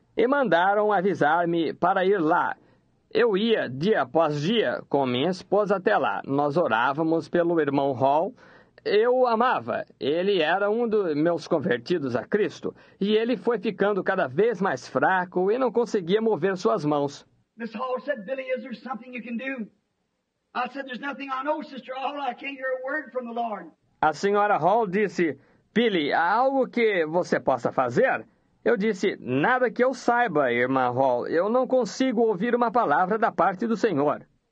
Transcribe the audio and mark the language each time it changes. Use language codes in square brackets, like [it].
[pt] E mandaram avisar-me para ir lá. Eu ia dia após dia com minha esposa até lá. Nós orávamos pelo irmão Hall. Eu o amava. Ele era um dos meus convertidos a Cristo. E ele foi ficando cada vez mais fraco e não conseguia mover suas mãos. [en] Miss Hall said, Billy, is there something you can do? I said, there's nothing I know, sister. All I can't hear a word from the Lord. [pt] A senhora Hall disse, Billy, há algo que você possa fazer? Eu disse, nada que eu saiba, irmã Hall. Eu não consigo ouvir uma palavra da parte do Senhor.